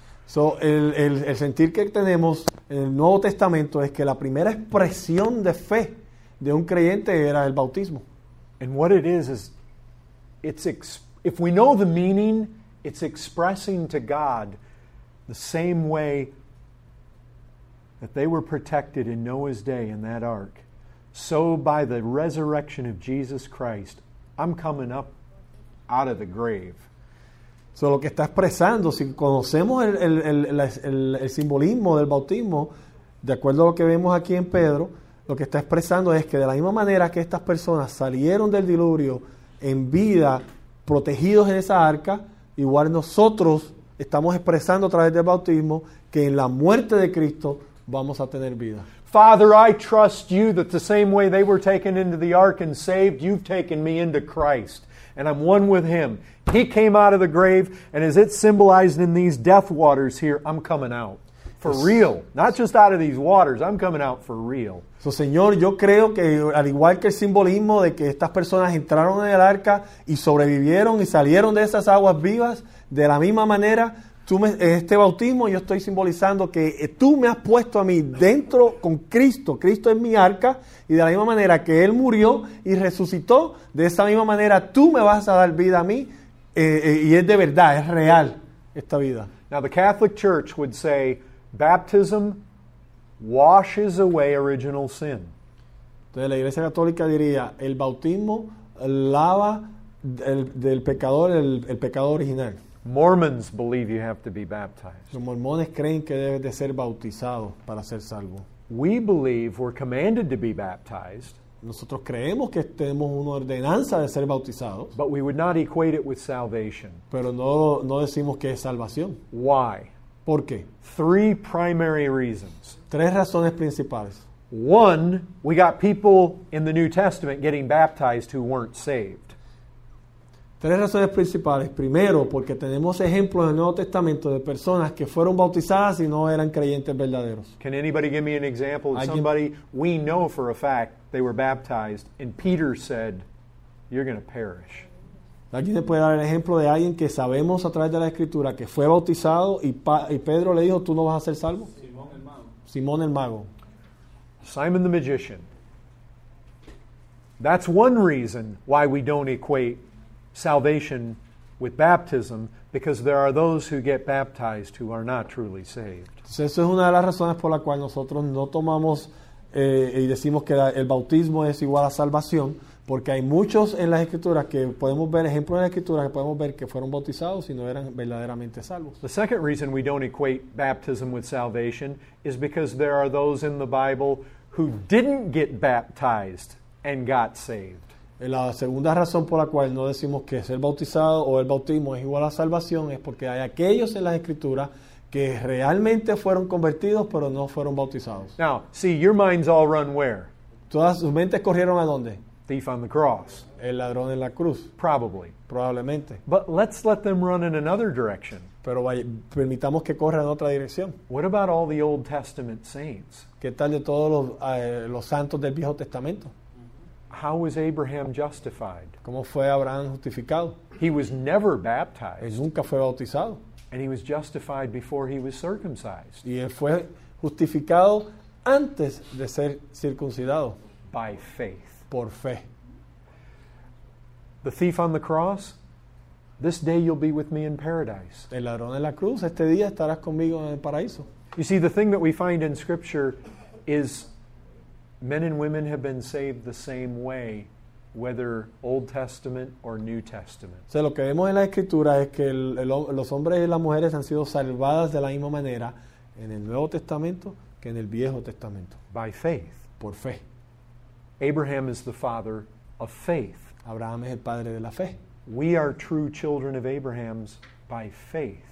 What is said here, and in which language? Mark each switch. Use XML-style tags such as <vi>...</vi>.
<es>So, el sentir que tenemos en el Nuevo Testamento es que la primera expresión de fe de un creyente era el bautismo.</es> <en>And what it is if we know the meaning, it's expressing to God the same way that they were protected in Noah's day in that ark. So by the resurrection of Jesus Christ, I'm coming up out of the grave.</en> <es>So lo que está expresando, si conocemos el simbolismo del bautismo, de acuerdo a lo que vemos aquí en Pedro, lo que está expresando es que de la misma manera que estas personas salieron del diluvio en vida, protegidos en esa arca, igual nosotros estamos expresando a través del bautismo que en la muerte de Cristo vamos a tener vida.</es> <en>Father, I trust you that the same way they were taken into the ark and saved, you've taken me into Christ. And I'm one with him. He came out of the grave, and as it's symbolized in these death waters here, I'm coming out. For real. Not just out of these waters, I'm coming out for real.</en> <es>So, Señor, yo creo que al igual que el simbolismo de que estas personas entraron en el arca y sobrevivieron y salieron de esas aguas vivas, de la misma manera, en este bautismo yo estoy simbolizando que tú me has puesto a mí dentro con Cristo. Cristo es mi arca y de la misma manera que Él murió y resucitó, de esa misma manera tú me vas a dar vida a mí y es de verdad, es real esta vida.</es> <en>Now, the Catholic Church would say, baptism washes away original sin.</en> <es>Entonces la Iglesia Católica diría, el bautismo lava del pecador el pecado original.</es> <en>Mormons believe you have to be baptized.</en> <es>Los mormones creen que debes de ser bautizado para ser salvo.</es> <en>We believe we're commanded to be baptized.</en> <es>Nosotros creemos que tenemos una ordenanza de ser bautizados.</es> <en>But we would not equate it with salvation.</en> <es>Pero no decimos que es salvación.</es> <en>Why?</en> <es>¿Por qué?</es> <en>Three primary reasons.</en> <es>Tres razones principales.</es> <en>One, we got people in the New Testament getting baptized who weren't saved.</en> <es>Tres razones principales. Primero, porque tenemos ejemplos en el Nuevo Testamento de personas que fueron bautizadas y no eran creyentes verdaderos.</es> <en>Can anybody give me an example of somebody we know for a fact they were baptized and Peter said, you're going to perish?</en> <es>¿Alguien te puede dar el ejemplo de alguien que sabemos a través de la Escritura que fue bautizado y Pedro le dijo, tú no vas a ser salvo? Simón el Mago.</es> <en>Simon the Magician. That's one reason why we don't equate salvation with baptism, because there are those who get baptized who are not truly saved.</en> <es>Entonces, eso es una de las razones por la cual nosotros no tomamos y decimos que el bautismo es igual a salvación. Porque hay muchos en las Escrituras que podemos ver, ejemplos en las Escrituras que podemos ver que fueron bautizados y no eran verdaderamente salvos.</es> <en>The second reason we don't equate baptism with salvation is because there are those in the Bible who didn't get baptized and got saved.</en> <es>La segunda razón por la cual no decimos que ser bautizado o el bautismo es igual a salvación es porque hay aquellos en las Escrituras que realmente fueron convertidos pero no fueron bautizados.</es> <en>Now, see, your minds all run where?</en> <es>Todas sus mentes corrieron ¿a dónde?</es> <en>Thief on the cross.</en> <es>El ladrón en la cruz.</es> <en>Probably.</en> <es>Probablemente.</es> <en>But let's let them run in another direction.</en> <es>Pero permitamos que corra en otra dirección.</es> <en>What about all the Old Testament saints?</en> <es>¿Qué tal de todos los santos del Viejo Testamento?</es> <en>How was Abraham justified?</en> <es>¿Cómo fue Abraham justificado?</es> <en>He was never baptized.</en> <es>Él nunca fue bautizado.</es> <en>And he was justified before he was circumcised.</en> <es>Y él fue justificado antes de ser circuncidado.</es> <en>By faith.</en> <es>Por fe.</es> <en>The thief on the cross, This day you'll be with me in paradise.</en> <es>El ladrón de la cruz, este día estarás conmigo en el paraíso.</es> <en>You see, the thing that we find in Scripture is men and women have been saved the same way, whether Old Testament or New Testament.</en> <es>O sea, lo que vemos en la Escritura es que los hombres y las mujeres han sido salvadas de la misma manera en el Nuevo Testamento que en el Viejo Testamento.</es> <en>By faith.</en> <es>Por fe.</es> <en>Abraham is the father of faith.</en> <es>Abraham es el padre de la fe.</es> <en>We are true children of Abraham's by faith.</en>